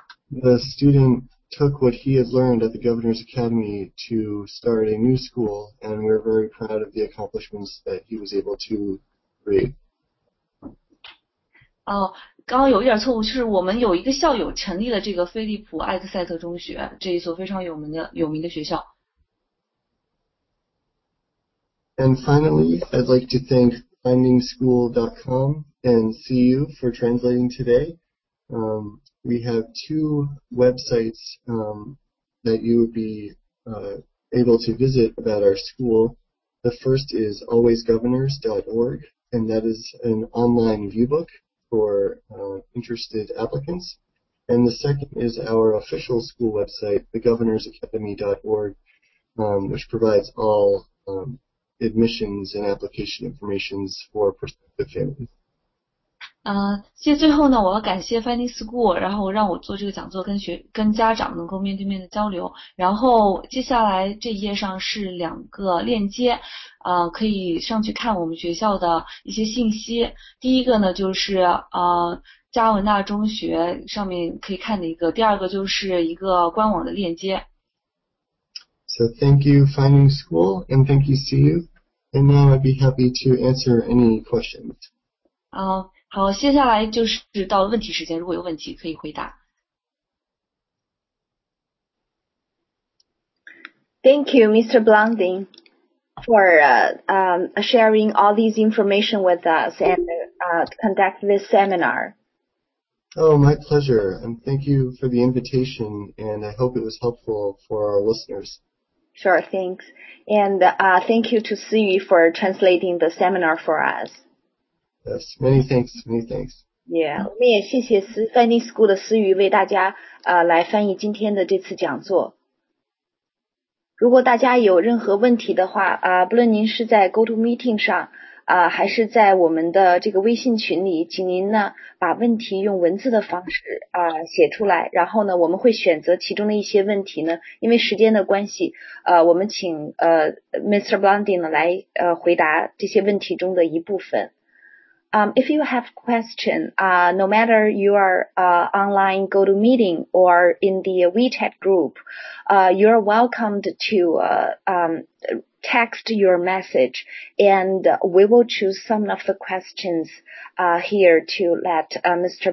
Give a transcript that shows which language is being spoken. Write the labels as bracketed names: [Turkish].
[English] The student took what he had learned at the Governor's Academy to start a new school, and we're very proud of the accomplishments that he was able to create. [Chinese] 刚刚有一点错误，就是我们有一个校友成立了这个菲利普埃克塞特中学，这一所非常有名的学校。 [English] And finally, I'd like to thank findingschool.com and CU for translating today. We have two websites that you would be able to visit about our school. The first is alwaysgovernors.org, and that is an online viewbook for interested applicants. And the second is our official school website, thegovernorsacademy.org, which provides all admissions and application informations for prospective families. [Chinese] 其实最后呢，我要感谢 Finding School，然后让我做这个讲座，跟家长能够面对面的交流。然后接下来这一页上是两个链接，可以上去看我们学校的一些信息。第一个呢，就是加文纳中学上面可以看的一个；第二个就是一个官网的链接。 [English] So thank you, Finding School, and thank you, CU. And now I'd be happy to answer any questions. [Chinese] 好，接下来就是到了问题时间，如果有问题可以回答。 [English] Thank you, Mr. Blondin, for sharing all this information with us and conduct this seminar. Oh, my pleasure. And thank you for the invitation, and I hope it was helpful for our listeners. Sure, thanks. And thank you to Siyu for translating the seminar for us. Yes, many thanks, many thanks. [Chinese] Yeah，我们也谢谢思 Finding School 的思雨为大家来翻译今天的这次讲座。如果大家有任何问题的话不论您是在 Go To Meeting 上还是在我们的这个微信群里，请您呢把问题用文字的方式写出来，然后呢我们会选择其中的一些问题呢，因为时间的关系我们请Mr. Blondin 呢来回答这些问题中的一部分。 [English] If you have question, no matter you are online GoToMeeting or in the WeChat group, you're welcomed to text your message, and we will choose some of the questions here to let Mr.